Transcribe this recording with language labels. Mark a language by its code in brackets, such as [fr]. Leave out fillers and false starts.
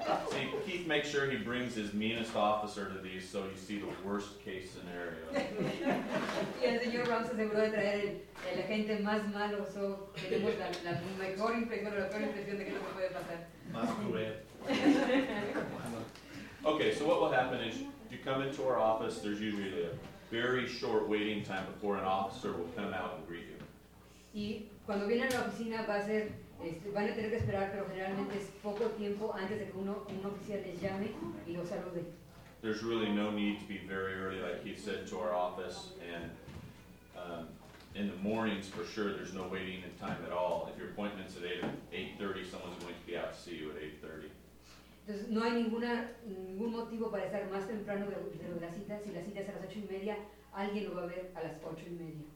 [en] See, Keith makes sure he brings his meanest officer to these so you see the worst case scenario. [es] Y el señor Brown se aseguró de traer el agente más malo, so tenemos la mejor impresión, la peor impresión de que no se puede pasar. Más cruel. [en] Okay, so what will happen is you come into our office, there's usually a very short waiting time before an officer will come out and greet you. [es] Y cuando vienen a la oficina van a tener que esperar, pero generalmente es poco tiempo antes de que un oficial les llame y los salude. [en] There's really no need to be very early, like he said, to our office. And in the mornings, for sure, there's no waiting in time at all. If your appointment's at 8:30, someone's going to be out to see you at 8:30. [es] Entonces, no hay ningún motivo para estar más temprano de la cita. Si la cita es a las 8:30, alguien lo va a ver a las 8:30.